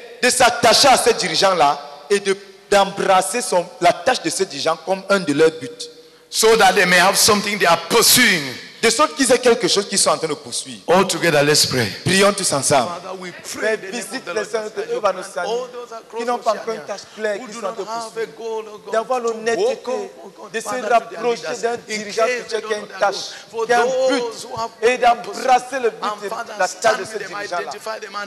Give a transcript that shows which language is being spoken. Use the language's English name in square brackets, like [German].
[French] De s'attacher à ce dirigeant-là et d'embrasser la tâche de ce dirigeant comme un de leurs buts. [English] So that they may have something they are pursuing. [French] De sorte qu'ils aient quelque chose qu'ils sont en train de poursuivre. [English] All together, let's pray. [French] Prions tous ensemble. [English] Father, we pray. Mais [French] visite les saints de Jéhovah nos saints qui n'ont pas encore une tâche claire qui sont en train de poursuivre. D'avoir l'honnêteté de se rapprocher d'un dirigeant qui a une tâche, qui a un but, et d'embrasser le but de la tâche de ce dirigeant-là.